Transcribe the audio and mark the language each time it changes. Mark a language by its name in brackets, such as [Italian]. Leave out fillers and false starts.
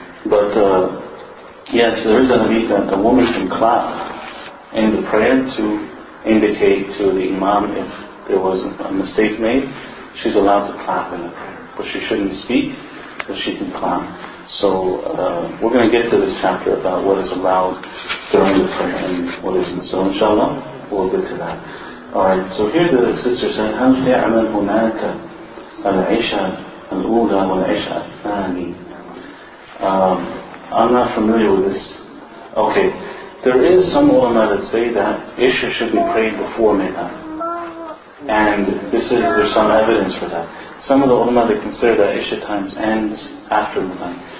[English] But yes, there is a hadith that the woman can clap in the prayer to indicate to the imam if there was a mistake made. She's allowed to clap in the prayer. But she shouldn't speak, but she can clap. So we're going to get to this chapter about what is allowed during the prayer and what isn't. So inshallah, we'll get to that. Alright, so here the sister said, [Arabic] هل فعلا هناك العشاء الأولى والعشاء الثاني? [English] I'm not familiar with this. Okay, there is some ulama that say that Isha should be prayed before midnight. And this is, there's some evidence for that. Some of the ulama, they consider that Isha times ends after midnight.